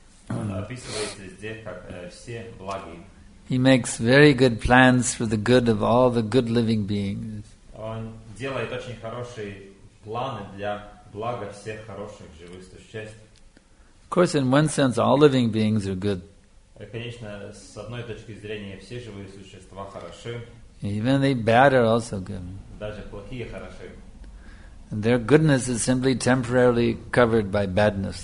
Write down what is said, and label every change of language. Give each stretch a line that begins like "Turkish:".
Russian: Он описывается здесь как все благи.
English: He makes very good plans for the good of all the good living beings.
Russian: Он делает очень хорошие планы для блага всех хороших живых существ.
English: Of course, in one sense, all living beings are good.
Russian: Конечно, с одной точки зрения, все живые существа хороши.
English: Even the bad are also good.
Russian: Даже плохие хороши.
English: And their goodness is simply temporarily covered by badness.